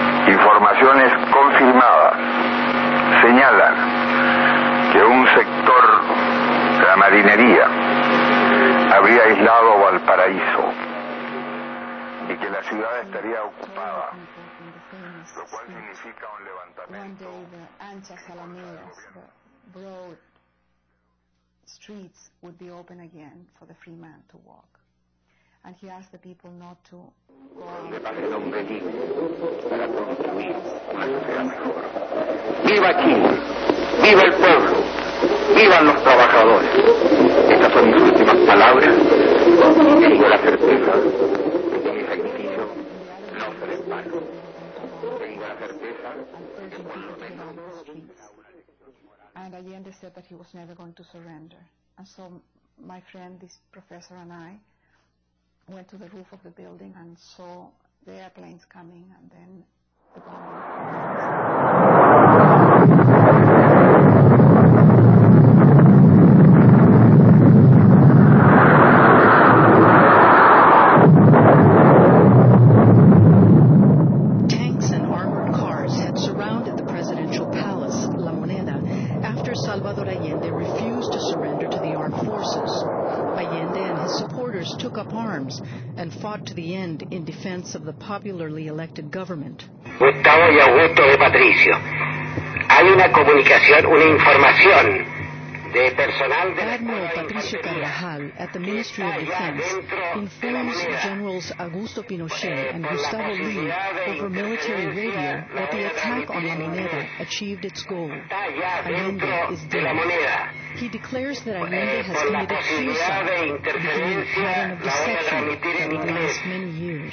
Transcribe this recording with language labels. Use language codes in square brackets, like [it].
[es] Informaciones confirmadas señalan que un sector de la marinería habría aislado Valparaíso y que la ciudad estaría ocupada, lo cual significa un levantamiento. [en] The [es] anchas alamedas, [en] the broad streets would be open again for the free man to walk. And he asked the people not to go out. [es] Viva Chile, viva el pueblo, vivan los trabajadores. Estas son mis últimas palabras. Tengo la certeza de que mi sacrificio no será en vano. Tengo la certeza de que por lo menos. [en] And Allende said that he was never going to surrender. And so my friend, this professor, and I went to the roof of the building and saw the airplanes coming, and then the bombing. Tanks and armored cars had surrounded the presidential palace, La Moneda, after Salvador Allende refused to surrender to the armed forces. Allende and his supporters took up arms and fought to the end in defense of the popularly elected government. [es] Gustavo y Augusto de Patricio, hay una comunicación, una información de personal de la [en] Admiral Patricio Carvajal at the Ministry of Defense informs generals Augusto Pinochet and Gustavo Lee over military radio that the attack on La Moneda achieved its goal. Allende is dead. He declares that Allende has committed suicide in the new pattern of deception that would last many years.